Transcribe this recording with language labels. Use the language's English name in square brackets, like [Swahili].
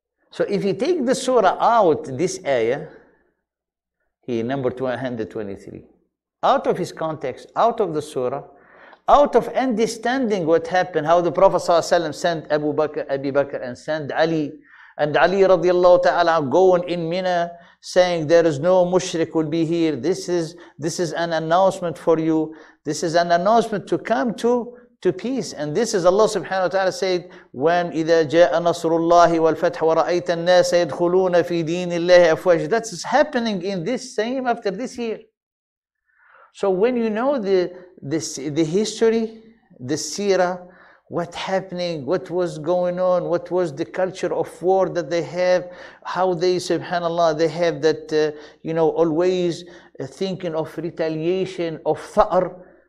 [English] So if you take the surah out, this ayah, here, number 123, out of his context, out of the surah, out of understanding what happened, how the Prophet ﷺ sent Abu Bakr, Abi Bakr, and sent Ali, and Ali radiallahu ta'ala going in Mina, saying there is no mushrik will be here. This is an announcement for you. This is an announcement to come to peace. And this is Allah subhanahu wa ta'ala said, when [Arabic] إِذَا جَاءَ نَصْرُ اللَّهِ وَالْفَتْحَ وَرَأَيْتَ النَّاسَ يَدْخُلُونَ فِي دِينِ اللَّهِ أَفْوَاجَ. [English] That's happening in this same after this year. So when you know the history, the seerah, what happening, what was going on, what was the culture of war that they have, how they, subhanAllah, they have that, always thinking of retaliation, of thar.